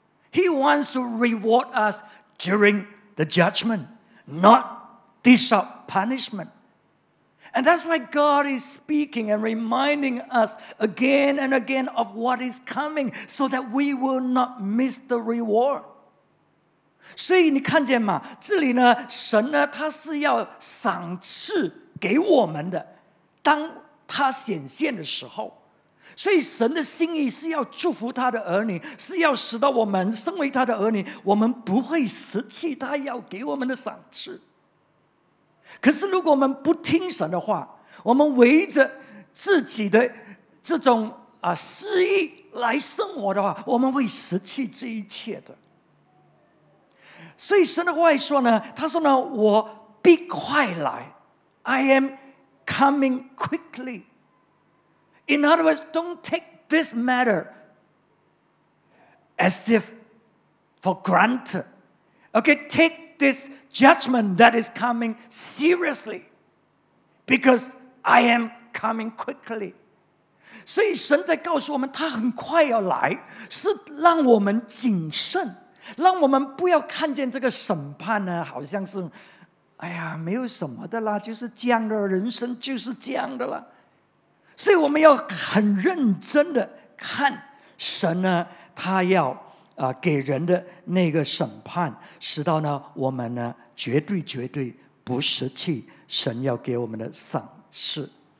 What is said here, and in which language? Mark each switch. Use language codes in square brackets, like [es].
[en] He wants to reward us during the judgment, not dish out punishment. And that's why God is speaking and reminding us again and again of what is coming so that we will not miss the reward. [zh] 所以你看见吗？这里呢，神呢，他是要赏赐给我们的，当他显现的时候。所以神的心意是要祝福他的儿女，是要使得我们身为他的儿女，我们不会失去他要给我们的赏赐。可是如果我们不听神的话，我们围着自己的这种私欲来生活的话，我们会失去这一切的。所以神的话说呢，他说呢，我必快来， [en] I am coming quickly. In other words, don't take this matter as if for granted. Okay, take this judgment that is coming seriously because I am coming quickly. [zh] 所以神在告诉我们他很快要来，是让我们谨慎，让我们不要看见这个审判呢好像是哎呀没有什么的啦，就是这样的人生，就是这样的啦。所以我们要很认真的看神呢，他要给人的那个审判，使到呢我们呢绝对绝对不失去神要给我们的赏赐。